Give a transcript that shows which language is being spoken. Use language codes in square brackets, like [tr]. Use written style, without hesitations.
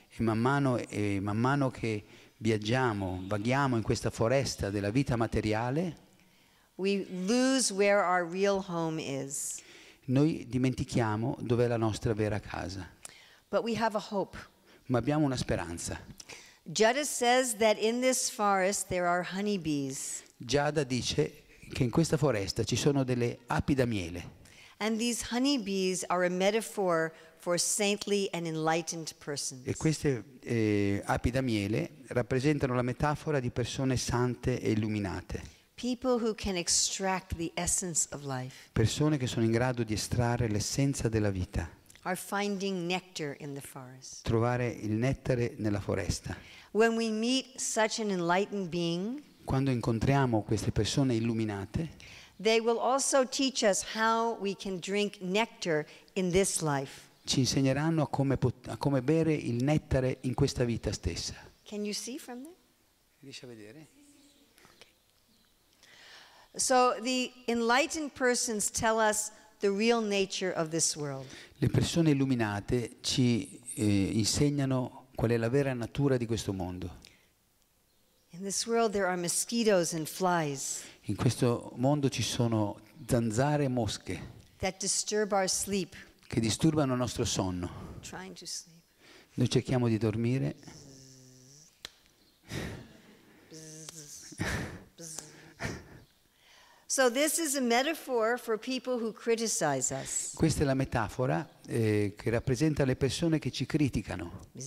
[it] e man mano che viaggiamo, vaghiamo in questa foresta della vita materiale, [en] we lose where our real home is. [it] Noi dimentichiamo dov'è la nostra vera casa. [en] But we have a hope. [it] Ma abbiamo una speranza. [en] Jada says that in this forest there are honeybees. [it] Jada dice che in questa foresta ci sono delle api da miele. [en] And these honeybees are a metaphor for saintly and enlightened persons. [it] E queste api da miele rappresentano la metafora di persone sante e illuminate. [en] People who can extract the essence of life. [it] Persone che sono in grado di estrarre l'essenza della vita. [en] Are finding nectar in the forest. [it] Trovare il nettare nella foresta. [en] When we meet such an enlightened being, [it] quando incontriamo queste persone illuminate, [en] they will also teach us how we can drink nectar in this life. [it] Ci insegneranno a come bere il nettare in questa vita stessa. [en] Can you see from there? [it] Riesci a vedere? [en] So the enlightened persons tell us the real nature of this world. [it] Le persone illuminate ci insegnano qual è la vera natura di questo mondo. [en] In this world there are mosquitoes and flies. [it] In questo mondo ci sono zanzare e mosche. [en] That disturb our sleep. [it] Che disturbano il nostro sonno. [en] Trying to sleep. [it] Noi cerchiamo di dormire. [en] So this is a metaphor for people who criticize us. [it] Questa è la metafora che rappresenta le persone che ci criticano.